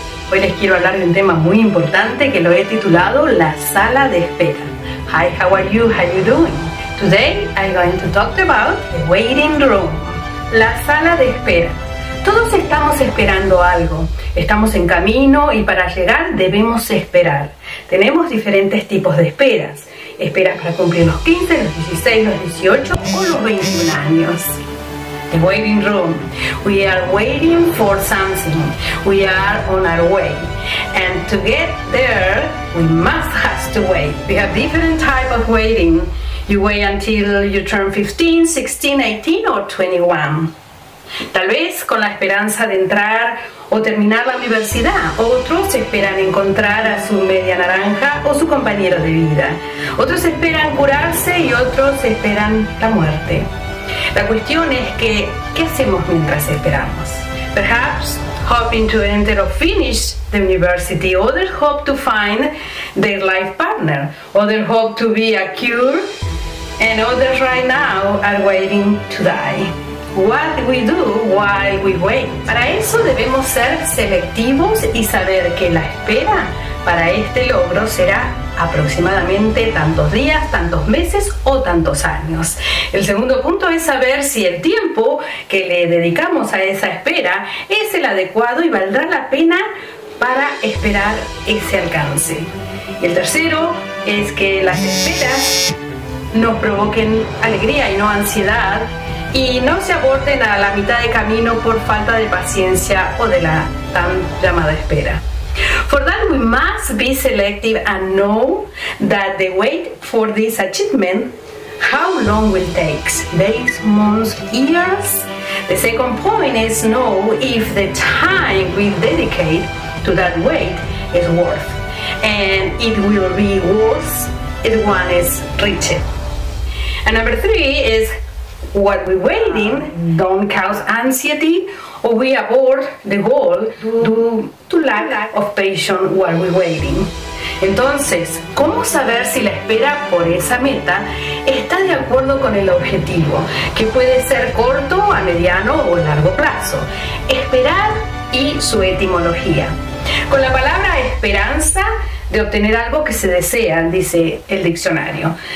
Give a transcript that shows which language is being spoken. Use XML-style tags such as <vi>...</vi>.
<es>Hoy les quiero hablar de un tema muy importante que lo he titulado La Sala de Espera.</es> <en>Hi, how are you? How are you doing? Today, I'm going to talk about the waiting room.</en> <es>La sala de espera. Todos estamos esperando algo. Estamos en camino y para llegar debemos esperar. Tenemos diferentes tipos de esperas. Esperas para cumplir los 15, los 16, los 18 o los 21 años.</es> <en>The waiting room. We are waiting for something. We are on our way. And to get there, we must have to wait. We have different types of waiting. You wait until you turn 15, 16, 18 or 21.</en> <es>Tal vez con la esperanza de entrar o terminar la universidad. Otros esperan encontrar a su media naranja o su compañero de vida. Otros esperan curarse y otros esperan la muerte. La cuestión es que, ¿qué hacemos mientras esperamos?</es> <en>Perhaps hoping to enter or finish the university. Others hope to find their life partner. Others hope to be a cure. And others right now are waiting to die. What we do while we wait?</en> <es>Para eso debemos ser selectivos y saber que la espera para este logro será aproximadamente tantos días, tantos meses o tantos años. El segundo punto es saber si el tiempo que le dedicamos a esa espera es el adecuado y valdrá la pena para esperar ese alcance. Y el tercero es que las esperas nos provoquen alegría y no ansiedad, y no se aborten a la mitad de camino por falta de paciencia o de la tan llamada espera.</es> <en>For that, we must be selective and know that the wait for this achievement, how long will take? Days, months, years? The second point is know if the time we dedicate to that wait is worth, and it will be worth it when it's reached. And number three is what we waiting don't cause anxiety or we abort the goal due to lack of patience while we waiting.</en> <es>Entonces, ¿cómo saber si la espera por esa meta está de acuerdo con el objetivo, que puede ser corto, a mediano o a largo plazo? Esperar y su etimología. Con la palabra esperanza de obtener algo que se desea, dice el diccionario.</es>